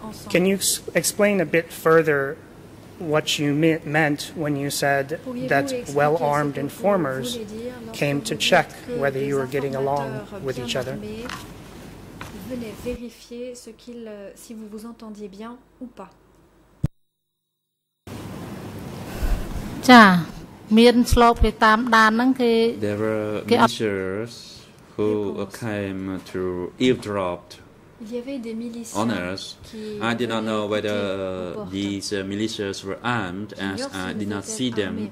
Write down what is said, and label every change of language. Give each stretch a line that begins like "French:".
English: Can you explain a bit further what you meant when you said that well-armed informers came to check whether you were getting along with each other?
French: Venez vérifier ce qu'il si vous vous entendiez bien ou pas.
English: There were militias who came to eavesdrop on us. I did not know whether these militias were armed, as I did not see them.